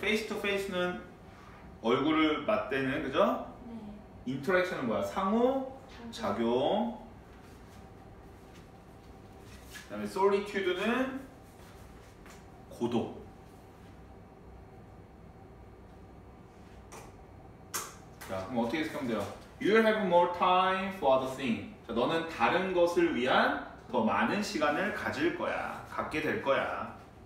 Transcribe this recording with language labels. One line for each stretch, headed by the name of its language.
Korean: 페이스 투 페이스는 얼굴을 맞대는, 그죠? 네. 인터랙션은 뭐야? 상호 작용. 그다음에 솔리튜드는 고독. 자, 그럼 어떻게 생각하면 돼요?
English: You have more time for other things.
Korean: 자, 너는 다른 것을 위한 더 많은 시간을 가질 거야. 갖게 될 거야.